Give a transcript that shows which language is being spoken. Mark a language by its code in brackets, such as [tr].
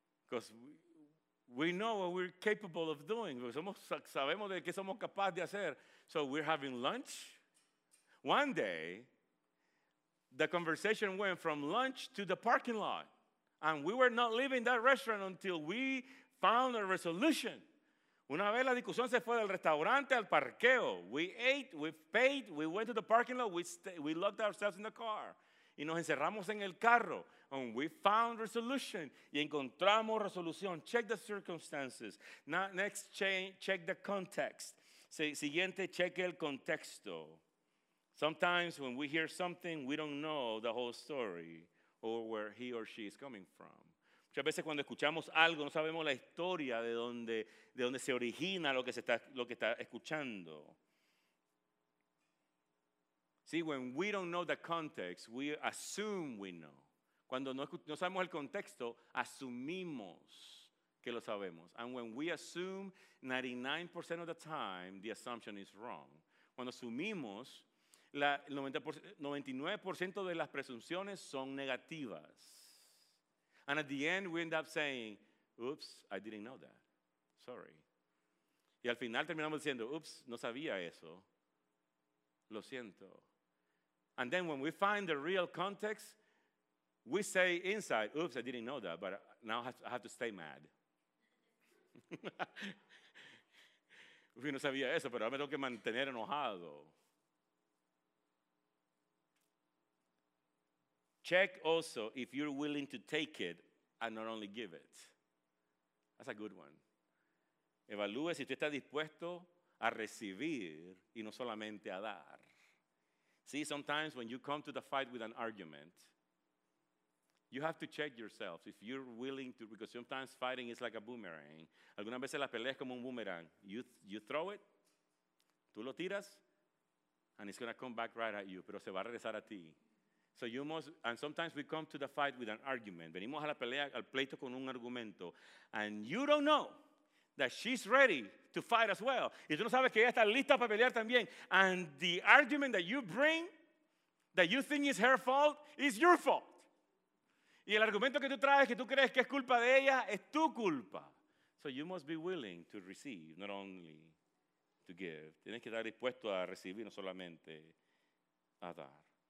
[en] Because we know what we're capable of doing. [es] Sabemos de qué somos capaces de hacer. [en] So we're having lunch. One day, the conversation went from lunch to the parking lot. And we were not leaving that restaurant until we found a resolution. [es] Una vez la discusión se fue del restaurante al parqueo. [en] We ate, we paid, we went to the parking lot, we locked ourselves in the car. [es] Y nos encerramos en el carro. [en] And we found resolution. [es] Y encontramos resolución. [en] Check the circumstances. Next, check the context. [es] Siguiente, check el contexto. [en] Sometimes when we hear something, we don't know the whole story or where he or she is coming from. [es] Muchas veces cuando escuchamos algo, no sabemos la historia de dónde se origina lo que está escuchando. [en] See, when we don't know the context, we assume we know. [es] Cuando no sabemos el contexto, asumimos que lo sabemos. [en] And when we assume, 99% of the time, the assumption is wrong. [es] Cuando asumimos, el 99% de las presunciones son negativas. [en] And at the end, we end up saying, oops, I didn't know that. Sorry. [es] Y al final terminamos diciendo, oops, no sabía eso. Lo siento. [en] And then when we find the real context, we say inside, oops, I didn't know that, but now I have to stay mad. [es] Uy, no sabía eso, pero ahora me tengo que mantener enojado. [en] Check also if you're willing to take it and not only give it. That's a good one. [es] Evalúe si usted está dispuesto a recibir y no solamente a dar. [en] See, sometimes when you come to the fight with an argument, you have to check yourself if you're willing to, because sometimes fighting is like a boomerang. [es] Algunas veces la pelea es como un boomerang. [en] You throw it, [es] tú lo tiras, [en] and it's going to come back right at you, [es] pero se va a regresar a ti. [en] So you must, and sometimes we come to the fight with an argument. [es] Venimos a la pelea, al pleito con un argumento. [en] And you don't know that she's ready to fight as well. [es] Y tú no sabes que ella está lista para pelear también. [en] And the argument that you bring, that you think is her fault, is your fault. [es] Y el argumento que tú traes, que tú crees que es culpa de ella, es tu culpa. [en] So you must be willing to receive, not only to give. [es] Tienes que estar dispuesto a recibir, no solamente a dar.